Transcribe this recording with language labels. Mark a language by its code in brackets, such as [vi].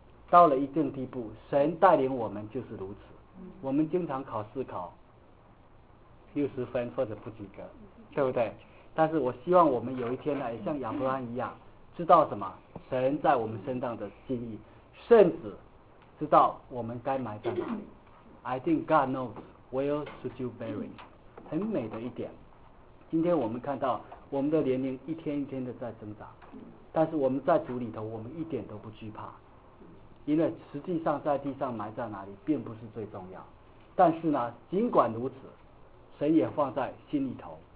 [zh] 到了一定地步，神带领我们就是如此。我们经常考试考60分或者不及格，对不对？但是我希望我们有一天呢，也像亚伯兰一样，知道什么神在我们身上的心意，甚至知道我们该埋在哪里。 [en] I think God knows where should you bury。 [zh] 很美的一点，今天我们看到我们的年龄一天一天的在增长，但是我们在主里头，我们一点都不惧怕，因为实际上在地上埋在哪里并不是最重要。但是呢，尽管如此，神也放在心里头。